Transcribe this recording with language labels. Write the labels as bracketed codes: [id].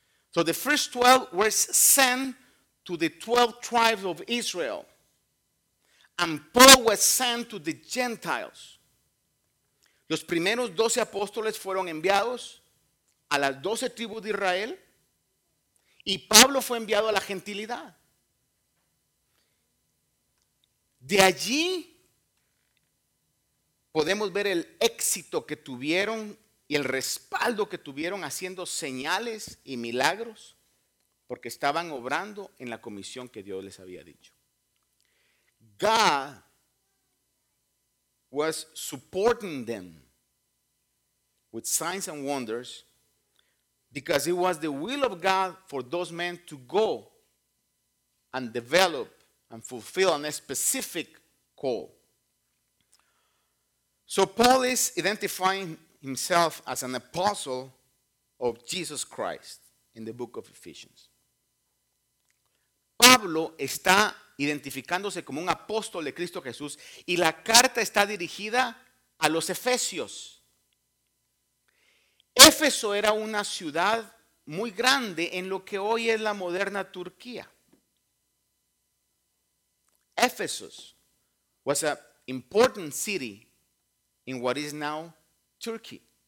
[en] So the first 12 were sent to the 12 tribes of Israel. And Paul was sent to the Gentiles. [es] Los primeros 12 apóstoles fueron enviados a las 12 tribus de Israel. Y Pablo fue enviado a la gentilidad. De allí podemos ver el éxito que tuvieron y el respaldo que tuvieron haciendo señales y milagros, porque estaban obrando en la comisión que Dios les había dicho. [en] God was supporting them with signs and wonders because it was the will of God for those men to go and develop and fulfill on a specific call. So Paul is identifying himself as an apostle of Jesus Christ in the book of Ephesians. [es] Pablo está identificándose como un apóstol de Cristo Jesús, y la carta está dirigida a los efesios. Éfeso era una ciudad muy grande en lo que hoy es la moderna Turquía. [en] Ephesus was an important city in what is now Turkey.